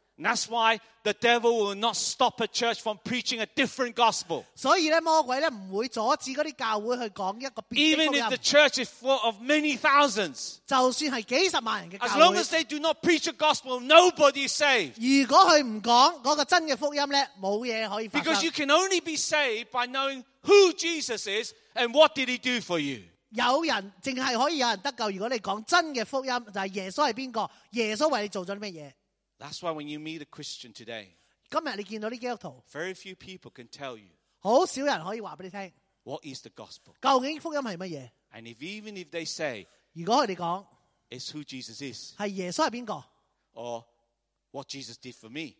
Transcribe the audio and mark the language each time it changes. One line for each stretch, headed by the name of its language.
English: And that's why the devil will not stop a church from preaching a different gospel.
Chinese: 所以魔鬼不会阻止那些教会去讲一个别的福音。
English: Even if the church is full of many thousands,
Chinese: 就算是几十万人的教会,
English: as long as they do not preach a gospel, nobody is saved.
Chinese: 如果他不讲那个真的福音，没有事可以发生。
English: Because you can only be saved by knowing who Jesus is and what did he do for you.
Chinese: 有人只是可以有人得救，如果你讲真的福音，就是耶稣是谁，耶稣为你做了什么。
English: That's why when you meet a Christian today,
Chinese: 今天你见到基督徒,
English: very few people can tell you,
Chinese: 很少人可以告诉你,
English: what is the gospel?
Chinese: 究竟福音是什么?
English: And if, even if they say,
Chinese: 如果他们说,
English: it's who Jesus is,
Chinese: 是耶稣是谁?
English: Or what Jesus did for me,